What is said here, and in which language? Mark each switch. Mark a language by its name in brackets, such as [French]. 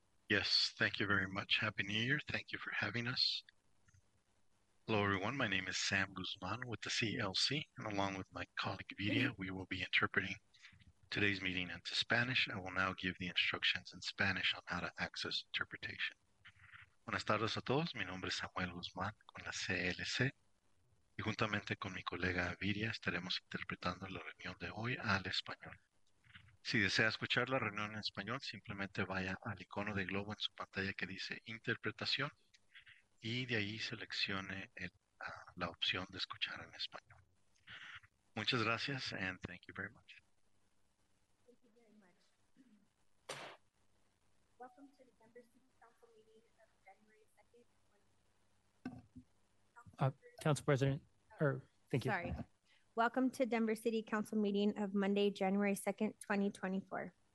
[English] Yes, thank you very much. Happy New Year. Thank you for having us. Hello, everyone. My name is Sam Guzman with the CLC, and along with my colleague Vidia, we will be interpreting today's meeting into Spanish. I will now give the instructions in Spanish on how to access interpretation. [Spanish] Buenas tardes a todos. Mi nombre es Samuel Guzman con la CLC. Y juntamente con mi colega Vidia, estaremos interpretando la reunión de hoy al español. Si desea escuchar la reunión en español, simplemente vaya al icono de globo en su pantalla que dice Interpretación y de ahí seleccione la opción de escuchar en español. Muchas gracias [English] and thank you very much. Thank you very much. Welcome to the Denver City Council meeting of January 2nd. Council President, thank you. Sorry. Welcome to Denver City Council meeting of Monday, January 2nd, 2024.